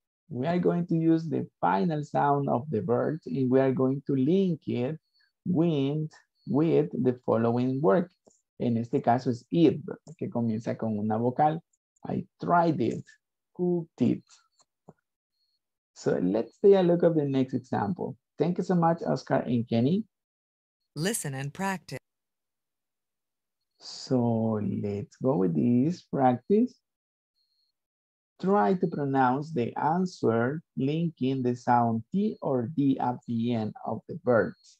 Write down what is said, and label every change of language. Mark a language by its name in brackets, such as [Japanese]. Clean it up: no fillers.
[English] We are going to use the final sound of the verb, and we are going to link it with the following word. [Spanish] En este caso es it, que comienza con una vocal. [English] I tried it, cooked it. So let's take a look at the next example. Thank you so much, Oscar and Kenny. Listen and practice. So let's go with this practice. Try to pronounce the answer linking the sound T or D at the end of the verb.